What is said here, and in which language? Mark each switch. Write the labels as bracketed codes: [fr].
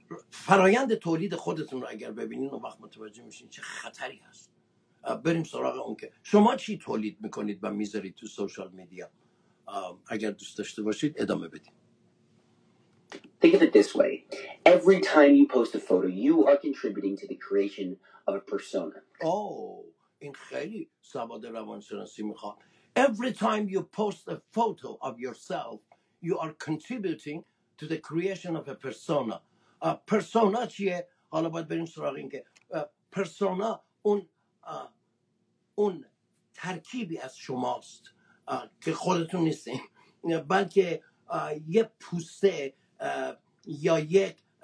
[fa] فرایند تولید خودتون رو اگر ببینین اون وقت متوجه میشین چه خطری هست. بریم سراغ اون که شما چی تولید میکنید و میذارید تو سوشال میدیا. اگر دوست داشته باشید ادامه بدیم. [en] Think of it this way. Every time you post a photo, you are contributing to the creation of a persona. [fa] این خیلی سواد روانشناسی میخواد. [en] Every time you post a photo of yourself, you are contributing to the creation of a persona. [fa] Persona چیه؟ حالا باید بریم سراغ این که پرسونا اون ترکیبی از شماست که خودتون نیستین، بلکه یه پوسته یا یک